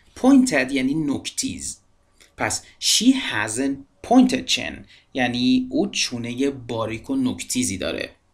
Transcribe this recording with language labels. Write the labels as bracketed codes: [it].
[fa] Pointed یعنی نکتیز. [en] پس She has a pointed chin. [fa] یعنی او چونه باریک و نکتیزی داره.